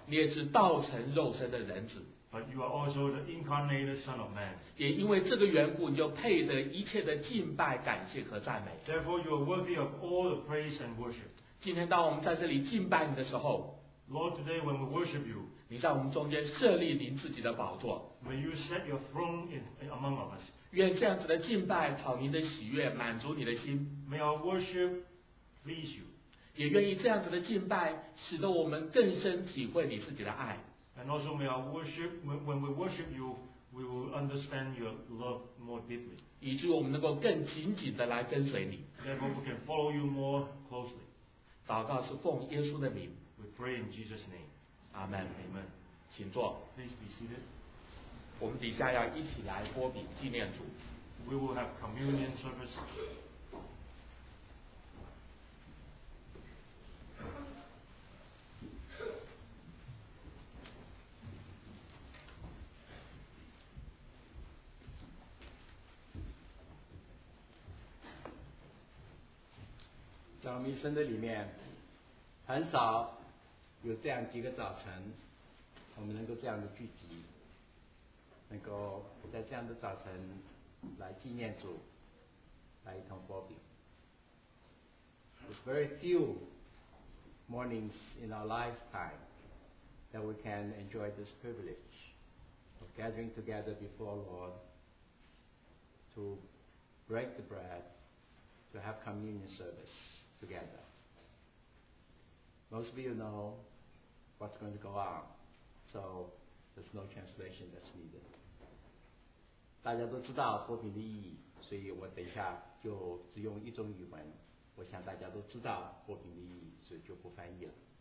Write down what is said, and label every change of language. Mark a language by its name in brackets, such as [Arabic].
[Chinese] 你也是道成肉身的人子。 [English] But you are also the incarnated Son of Man. [Chinese] 也因为这个缘故，你就配得一切的敬拜、感谢和赞美。 [English] Therefore, you are worthy of all the praise and worship. [Chinese] 今天当我们在这里敬拜你的时候。 [English] Lord, today when we worship you, [Chinese] 你在我们中间设立您自己的宝座。 [English] When you set your throne in among us, [Chinese] 愿这样子的敬拜讨您的喜悦，满足你的心。 [English] May our worship please you. [Chinese] 也愿意这样子的敬拜，使得我们更深体会你自己的爱。 [English] And also may our worship, when we worship you, we will understand your love more deeply. [Chinese] 以致我们能够更紧紧的来跟随你。 [English] Therefore, we can follow you more closely. [Chinese] 祷告是奉耶稣的名。 [English] We pray in Jesus' name. Amen. Amen. [Chinese] 请坐。 [English] Please be seated. [Chinese] 我们底下要一起来擘饼纪念主。 [English] We will have communion service. [Chinese] 在我们一生的里面，很少有这样几个早晨，我们能够这样的聚集，能够在这样的早晨来纪念主，来一同擘饼。 [English] It's very few mornings in our lifetime that we can enjoy this privilege of gathering together before Lord to break the bread, to have communion service together. Most of you know what's going to go on, so there's no translation that's needed. [Chinese] 大家都知道擘饼的意义，所以我等一下就只用一种语文。我想大家都知道擘饼的意义，所以就不翻译了。